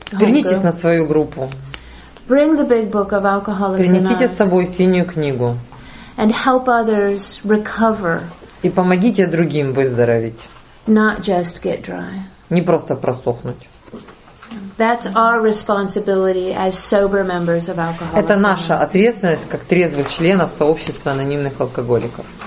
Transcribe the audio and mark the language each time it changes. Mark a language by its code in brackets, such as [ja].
[ru] Вернитесь на свою группу. [en] Bring the big book of Alcoholics Anonymous. [ru] Принесите с собой синюю книгу. [en] And help others recover. [ru] И помогите другим выздороветь. [en] Not just get dry. [ru] Не просто просохнуть. [en] That's our responsibility as sober members of Alcoholics Anonymous. [ru] Это наша ответственность как трезвых членов сообщества анонимных алкоголиков.